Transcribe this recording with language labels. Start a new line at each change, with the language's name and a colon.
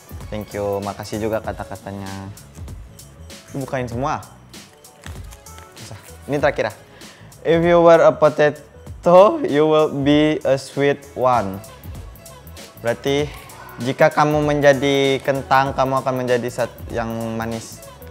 English: Thank you,
Indonesian: makasih juga kata-katanya. Bukain semua. Ini terakhir ya.
English: If you were a potato, you will be a sweet one.
Indonesian: Berarti jika kamu menjadi kentang, kamu akan menjadi yang manis.